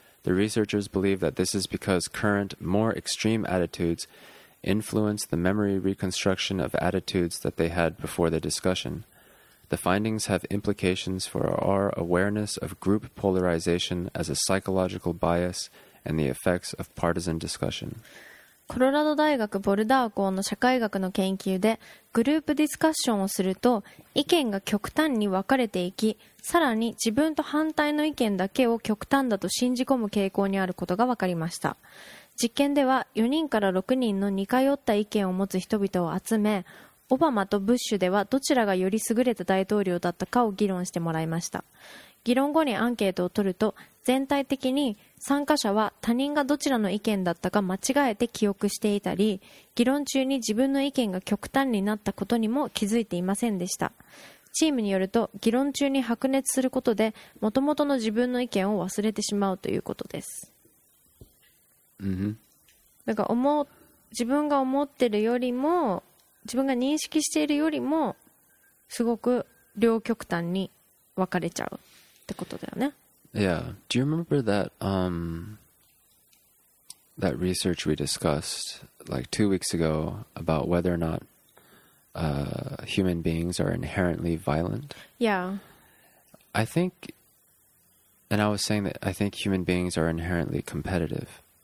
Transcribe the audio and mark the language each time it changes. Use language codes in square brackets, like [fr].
[en] The researchers believe that this is because current, more extreme attitudes influence the memory reconstruction of attitudes that they had before the discussion. The findings have implications for our awareness of group polarization as a psychological bias and the effects of partisan discussion. [ja] コロラド大学ボルダー校の社会学の研究でグループディスカッションをすると意見が極端に分かれていき、さらに自分と反対の意見だけを極端だと信じ込む傾向にあることが分かりました。実験では4人から6人の似通った意見を持つ人々を集め、オバマとブッシュではどちらがより優れた大統領だったかを議論してもらいました。議論後にアンケートを取ると全体的に参加者は他人がどちらの意見だったか間違えて記憶していたり、議論中に自分の意見が極端になったことにも気づいていませんでした。チームによると議論中に白熱することで元々の自分の意見を忘れてしまうということです。だから自分が思ってるよりも自分が認識しているよりもすごく両極端に分かれちゃうってことだよね。 [en] Yeah. Do you remember that that research we discussed like 2 weeks ago about whether or not human beings are inherently violent? Yeah. I think, and I was saying that I think human beings are inherently competitive.